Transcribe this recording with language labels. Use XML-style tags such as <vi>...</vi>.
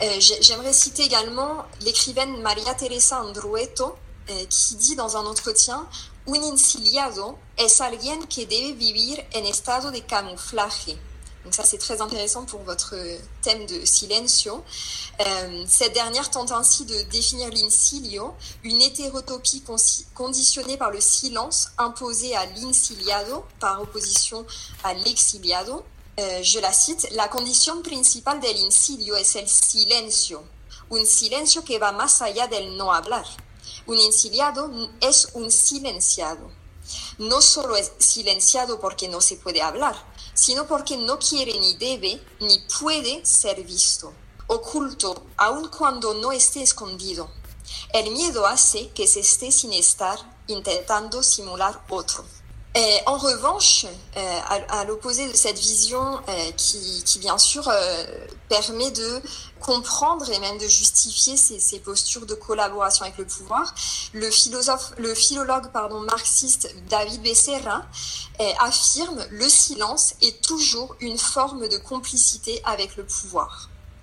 <fr>J'aimerais citer également l'écrivaine María Teresa Andrueto, qui dit dans un entretien:</fr> <es>Un exiliado es alguien que debe vivir en estado de camuflaje.</es> <fr>Donc ça, c'est très intéressant pour votre thème de silencio. Cette dernière tente ainsi de définir l'insilio, une hétérotopie conditionnée par le silence imposé à l'insiliado par opposition à l'exiliado. Je la cite, la condition principale</fr> <es>del insilio es el silencio, un silencio que va más allá del no hablar. Un exiliado es un silenciado. No solo es silenciado porque no se puede hablar, sino porque no quiere ni debe ni puede ser visto, oculto, aun cuando no esté escondido. El miedo hace que se esté sin estar intentando simular otro.</es> <fr>En revanche, à l'opposé de cette vision qui bien sûr permet de comprendre et même de justifier ces postures de collaboration avec le pouvoir, le philologue pardon, marxiste David Becerra affirme « le silence est toujours une forme de complicité avec le pouvoir ».</fr>